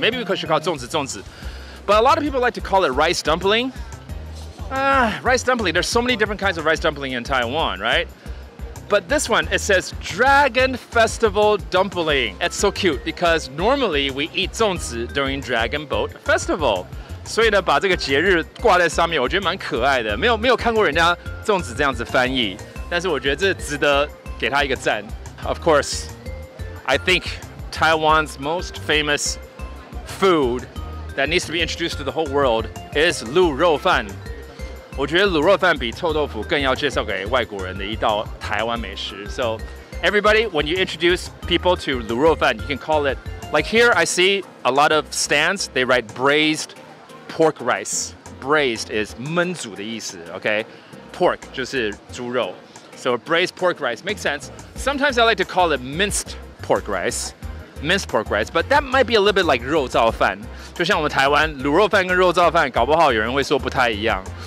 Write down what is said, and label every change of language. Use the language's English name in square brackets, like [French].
[English] Maybe we should call 粽子.But a lot of people like to call it rice dumpling. Rice dumpling. There's so many different kinds of rice dumpling in Taiwan, right? But this one, it says Dragon Festival Dumpling. It's so cute because normally we eat 粽子 during Dragon Boat Festival. [Chinese] 所以呢，把这个节日挂在上面，我觉得蛮可爱的。没有看过人家粽子这样子翻译，但是我觉得这值得给他一个赞。 [English] Of course, I think Taiwan's most famous food that needs to be introduced to the whole world is 卤肉饭。 [Chinese] 我觉得卤肉饭比臭豆腐更要介绍给外国人的一道台湾美食。 [English] So, everybody, when you introduce people to 卤肉饭, you can call it, like here I see a lot of stands, they write braised pork rice. Braised is [Chinese] 焖煮的意思, [English] okay? Pork [Chinese] 就是猪肉. [English] So braised pork rice makes sense. Sometimes I like to call it minced pork rice, but that might be a little bit like 肉燥饭. [Chinese] 就像我们台湾卤肉饭跟肉燥饭搞不好有人会说不太一样。